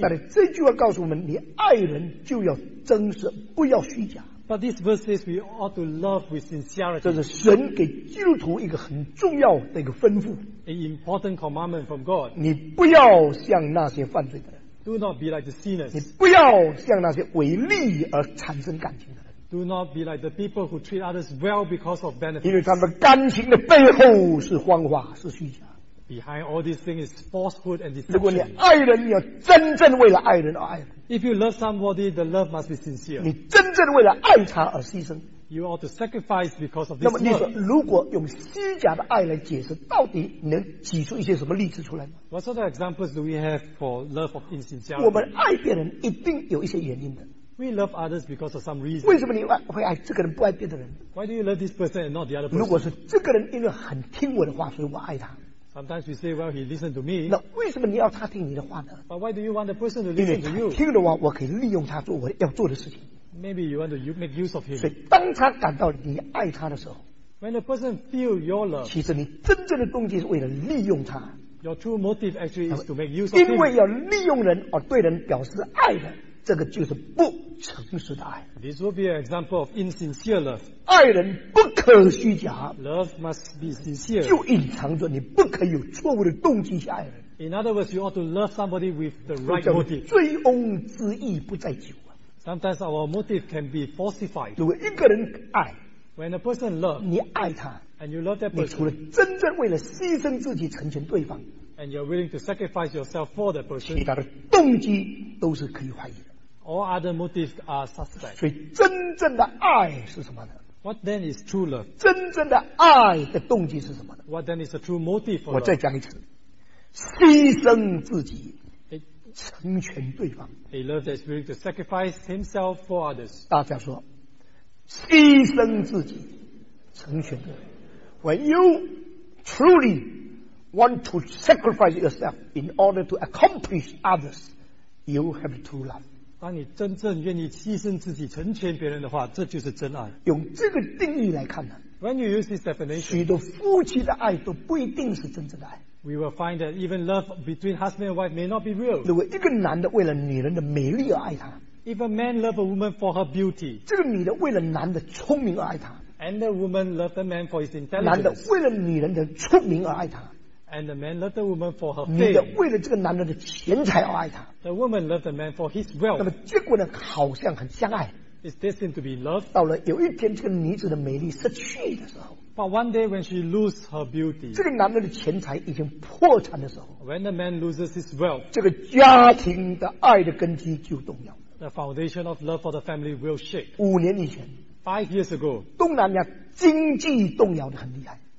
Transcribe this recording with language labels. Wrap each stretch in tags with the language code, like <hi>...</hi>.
<zh>但是这句话告诉我们，你爱人就要真实，不要虚假。</zh> <en>But this verse says we ought to love with sincerity.</en> <zh>这是神给基督徒一个很重要的一个吩咐。</zh> <en>An important commandment from God.</en> <zh>你不要像那些犯罪的人。</zh> <en>Do not be like the sinners.</en> <zh>你不要像那些为利而产生感情的人。</zh> <en>Do not be like the people who treat others well because of benefits.</en> <zh>因为他们感情的背后是谎话，是虚假。</zh> <en>Behind all these things is falsehood and deception.</en> <zh>如果你爱人，你要真正为了爱人而爱人。</zh> <en>If you love somebody, the love must be sincere.</en> <zh>你真正为了爱他而牺牲。</zh> <en>You ought to sacrifice because of this love.</en> <zh>那么你说，如果用虚假的爱来解释，到底能举出一些什么例子出来吗？</zh> <en>What sort of examples do we have for love of insincerity?</en> <zh>我们爱别人一定有一些原因的。</zh> <en>We love others because of some reason.</en> <zh>为什么你会爱这个人不爱别的人？</zh> <en>Why do you love this person and not the other person?</en> <zh>如果是这个人因为很听我的话，所以我爱他。</zh> <en>Sometimes we say, well, he listened to me.</en> <zh>那为什么你要他听你的话呢？</zh> <en>But why do you want the person to listen to you?</en> <zh>因为听的话，我可以利用他做我要做的事情。</zh> <en>Maybe you want to make use of him.</en> <zh>所以当他感到你爱他的时候</zh> <en>，When a person feel your love，</en> <zh>其实你真正的动机是为了利用他。</zh> <en>Your true motive actually is to make use of him.</en> <zh>因为要利用人而对人表示爱的，这个就是不诚实的爱。</zh> <en>This will be an example of insincere love.</en> <zh>爱人不可虚假</zh> <en>，Love must be sincere.</en> <zh>就隐藏着你不可有错误的动机去爱人。</zh> <en>In other words, you ought to love somebody with the right motive.</en> <zh>醉翁之意不在酒。</zh> <en>Sometimes our motive can be falsified.</en> <zh>如果一个人爱</zh> <en>，when a person loves，</en> <zh>你爱他</zh> <en>，and you love that person，</en> <zh>你除了真正为了牺牲自己成全对方</zh> <en>，and you're willing to sacrifice yourself for that person，</en> <zh>其他的动机都是可以怀疑的。</zh> <en>All other motives are suspect.</en> <zh>所以真正的爱是什么呢</zh> <en>？What then is true love？</en> <zh>真正的爱的动机是什么呢</zh> <en>？What then is the true motive for love？</en> <zh>我再讲一次，牺牲自己。成全对方。</zh> <en>A love that is willing to sacrifice himself for others.</en> <zh>大家说，牺牲自己，成全对方。</zh> <en>When you truly want to sacrifice yourself in order to accomplish others, you have true love.</en> <zh>当你真正愿意牺牲自己成全别人的话，这就是真爱。用这个定义来看呢，</zh> <en>When you use this definition,</en> <zh>许多夫妻的爱都不一定是真正的爱。</zh> <en>We will find that even love between husband and wife may not be real.</en> <zh>如果一个男的为了女人的美丽而爱她，</zh> <en>If a man loves a woman for her beauty,</en> <zh>这个女的为了男的聪明而爱她，</zh> <en>And the woman loves the man for his intelligence,</en> <zh>男的为了女人的聪明而爱她。</zh> <en>And the man loved the woman for her</en> <zh>fame. 女的为了这个男人的钱财而爱他。</zh> <en>The woman loved the man for his wealth.</en> <zh>那么结果呢？好像很相爱。</zh> <en>Is destined to be loved.</en> <zh>到了有一天，这个女子的美丽失去的时候。</zh> <en>But one day when she loses her beauty.</en> <zh>这个男人的钱财已经破产的时候。</zh> <en>When the man loses his wealth.</en> <zh>这个家庭的爱的根基就动摇。</zh> <en>The foundation of love for the family will shake.</en> <zh>五年以前。</zh> <en>Five years ago.</en> <zh>东南亚经济动摇得很厉害。</zh>